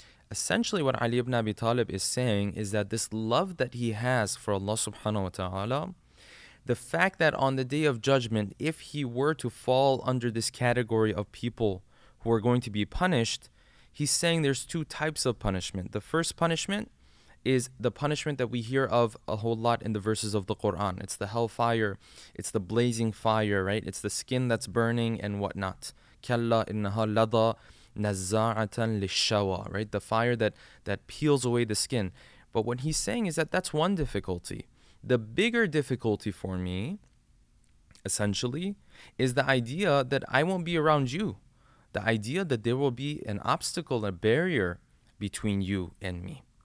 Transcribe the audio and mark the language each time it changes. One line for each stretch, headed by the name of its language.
English: Essentially, what Ali ibn Abi Talib is saying is that this love that he has for Allah subhanahu wa ta'ala, the fact that on the day of judgment, if he were to fall under this category of people who are going to be punished, he's saying there's two types of punishment. The first punishment is the punishment that we hear of a whole lot in the verses of the Quran. It's the hellfire, it's the blazing fire, right? It's the skin that's burning and whatnot.
Arabic: كَلَّا إِنَّهَا لَضَى نَزَّاعَةً لِلشَّوَى, right?
English: The fire that peels away the skin. But what he's saying is that that's one difficulty. The bigger difficulty for me, essentially, is the idea that I won't be around you. The idea that there will be an obstacle, a barrier between you and me.